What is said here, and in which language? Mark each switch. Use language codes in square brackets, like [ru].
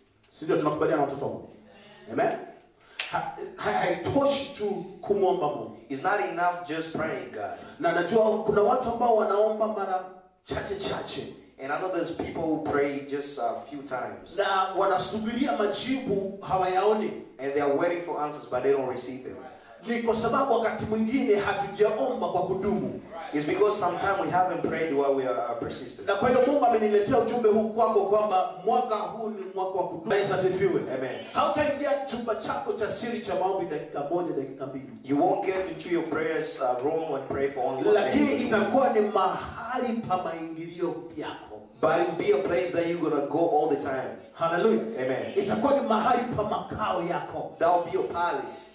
[sw] Sidio tunakubalia na watoto. Amen. I push to kumomba Mungu. [en] It's not enough just praying God. [sw] Na najua kuna watu ambao wanaomba mara chache. [en] And I know there's people who pray just a few times. [sw] Na wanasubiria majibu hawayaoni. [en] And they are waiting for answers but they don't receive them. [sw] Ni kwa sababu wakati mwingine hatujaomba kwa kudumu. [en] It's because sometimes we haven't prayed while we are persistent. [sw] Na kwa hiyo Mungu ameniletea ujumbe huu kwako kwamba mwaka huu ni mwaka wa kudumu. Yesu asifiwe. Amen. [en] How can you get [sw] chumba chako cha siri cha maombi dakika moja dakika mbili? [en] You won't get into your prayers room and pray for only [sw] one. Lakini itakuwa ni mahali pa maingilio yako. [en] But it'll be a place that you're gonna go all the time. Hallelujah. Amen. [sw] Itakuwa ni mahali pa makao yako. [en] That'll be your palace.